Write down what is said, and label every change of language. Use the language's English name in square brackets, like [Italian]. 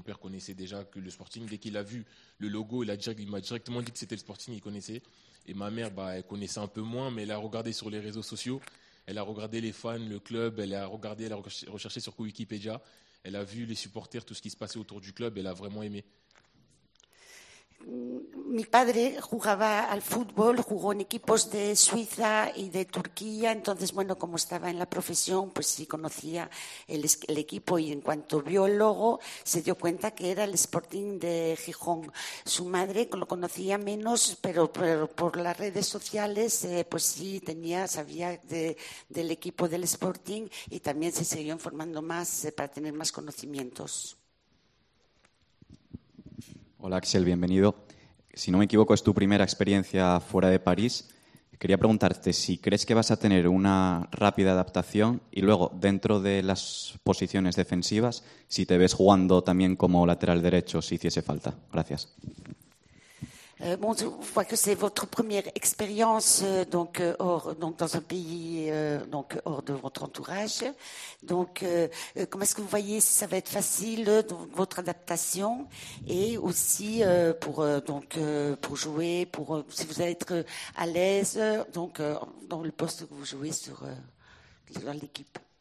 [French] Mon père connaissait déjà que le Sporting. Dès qu'il a vu le logo, il m'a directement dit que c'était le Sporting, il connaissait. Et ma mère, elle connaissait un peu moins, mais elle a regardé sur les réseaux sociaux. Elle a regardé les fans, le club, elle a recherché sur Wikipédia. Elle a vu les supporters, tout ce qui se passait autour du club, elle a vraiment aimé. [Spanish] Mi padre jugaba al fútbol, jugó en equipos de Suiza y de Turquía, entonces bueno, como estaba en la profesión, pues sí conocía el equipo y en cuanto vio el logo se dio cuenta que era el Sporting de Gijón. Su madre lo conocía menos, pero por las redes sociales pues sí sabía del equipo del Sporting y también se siguió informando más para tener más conocimientos. Hola Axel, bienvenido. Si no me equivoco, es tu primera experiencia fuera de París. Quería preguntarte si crees que vas a tener una rápida adaptación y luego, dentro de las posiciones defensivas, si te ves jugando también como lateral derecho si hiciese falta. Gracias. [French] Bonjour, je vois que c'est votre première expérience dans un pays hors de votre entourage. Comment est-ce que vous voyez si ça va être facile votre adaptation et aussi pour jouer, si vous allez être à l'aise dans le poste que vous jouez dans l'équipe.